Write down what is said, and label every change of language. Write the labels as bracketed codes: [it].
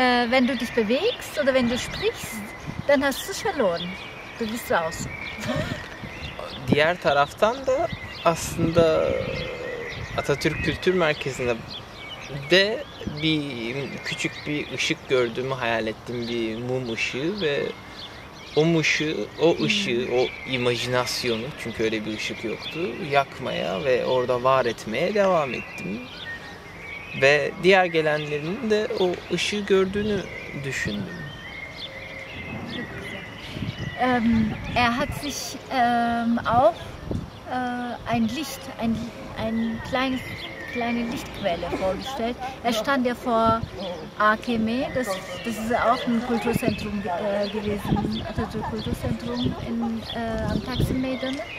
[de] Wenn du dich bewegst oder wenn du sprichst, dann hast du verloren. Du bist raus. [tr] Diğer taraftan da aslında Atatürk Kültür Merkezi'nde de bir küçük bir ışık gördüğümü hayal ettim, bir mum ışığı ve o mum ışığı, o ışığı, o imajinasyonu, çünkü öyle bir ışık yoktu, yakmaya ve orada var etmeye devam ettim. Ve diğer gelenlerin de o ışığı gördüğünü düşündüm. [de] Hat sich auch eine kleine Lichtquelle vorgestellt. Stand ja vor AKME, das ist auch ein Kulturzentrum gewesen, also Kulturzentrum in, am Taksim-Maidan.